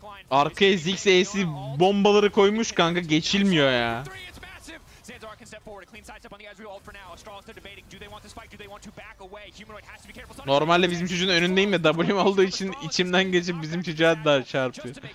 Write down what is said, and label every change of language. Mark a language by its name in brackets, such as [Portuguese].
[Turkish] Arkaya Ziggs E'si bombaları koymuş kanka geçilmiyor ya. [English] Zanzara can step forward, a clean side step on the Ezreal ult for now. Astralis they're debating, do they want to spike, do they want to back away? Humanoid has to be careful. [Turkish] Normalde bizim çocuğun önündeyim ya, W'm olduğu için içimden geçip bizim çocuğa daha çarpıyor.